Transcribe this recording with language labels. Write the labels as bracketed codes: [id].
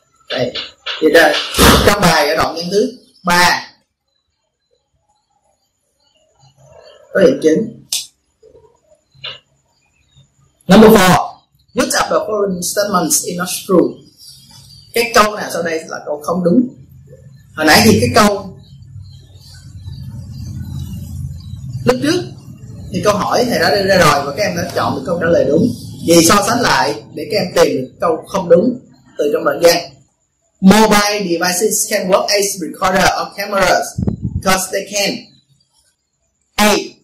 [vi] Đây, thì ra trong bài ở đoạn nhân thứ 3 có điểm chính. [en] Number 4, which of the following statements is not true? [vi] Cái câu nào sau đây là câu không đúng? Hồi nãy thì cái câu lúc trước thì câu hỏi thầy đã đưa ra rồi và các em đã chọn được câu trả lời đúng. Vì so sánh lại để các em tìm được câu không đúng từ trong đoạn văn. [en] Mobile devices can work as recorder or cameras because they can A.